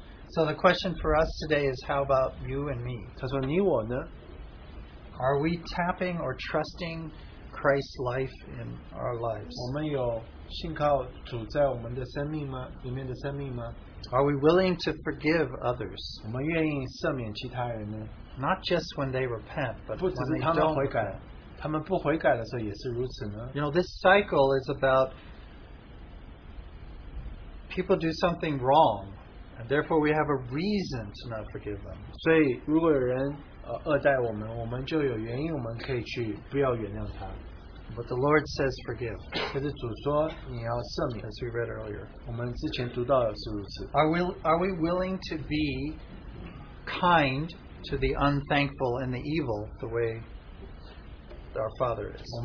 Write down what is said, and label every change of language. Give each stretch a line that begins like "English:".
English: So the question for us today is, how about you and me?
Chinese: 他说你我呢？
English: Are we tapping or trusting Christ's life in our lives?
Chinese: 我们有信靠主在我们的生命吗？里面的生命吗？
English: Are we willing to forgive others?
Chinese: 我们愿意赦免其他人呢？
English: Not just when they repent, but when they don't repent.
Chinese: 他们不悔改的时候也是如此呢?
English: You know, this cycle is about people do something wrong, and therefore we have a reason to not forgive them.
Chinese: 所以如果有人恶待我们，我们就有原因，我们可以去不要原谅他。
English: But the Lord says forgive.
Chinese: 可是主说你要赦免,
English: as we read earlier.
Chinese: 我们之前读到的是如此。
English: Are we willing to be kind to the unthankful and the evil the way our Father is?